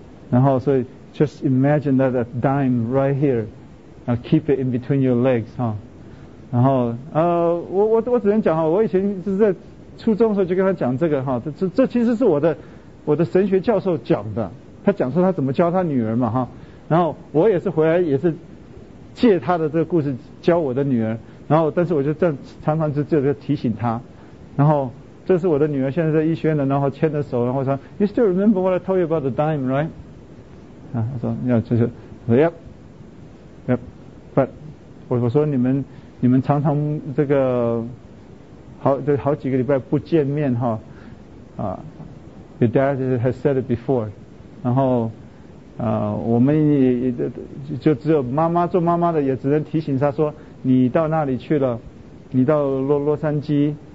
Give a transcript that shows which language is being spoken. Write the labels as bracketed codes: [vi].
[zh] 然后所以 [en] just imagine that a dime right here， now keep it in between your legs [zh] 哈，然后我只能讲哈，我以前就是在初中的时候就跟他讲这个哈，这其实是我的神学教授讲的，他讲说他怎么教他女儿嘛哈，然后我也是回来也是借他的这个故事教我的女儿，然后但是我就这样常常就提醒他，然后。这是我的女儿，现在在医学院的，然后牵着手，然后说 ， [en] You still remember what I told you about the dime, right？ [zh] 啊，他说，要就是，我说 ， [en] Yep，Yep，But， [zh] 我说你们常常这个好几个礼拜不见面哈，啊 ， [en] Your dad has said it before， [zh] 然后，我们也就只有妈妈做妈妈的也只能提醒他说，你到那里去了，你到洛杉矶。